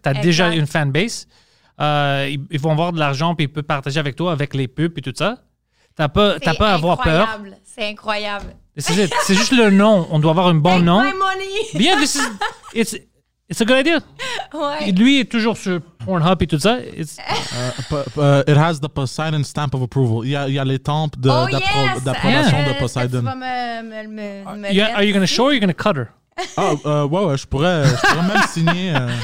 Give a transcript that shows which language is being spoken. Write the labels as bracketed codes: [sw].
[fr] T'as déjà une fanbase. Ils vont avoir de l'argent puis ils peuvent partager avec toi, avec les pubs et tout ça. T'as pas à avoir peur. C'est incroyable. C'est juste le nom. On doit avoir un bon nom. [en] My money. [fr] Bien, [en] this is... It's a good idea. [fr] Ouais. Lui est toujours sur Pornhub et tout ça. [en] It has the Poseidon stamp of approval. [fr] Il y a les tempes d'approbation de Poseidon. [en] Are you going to show or are you going to cut her? [fr] Ouais, je pourrais même signer.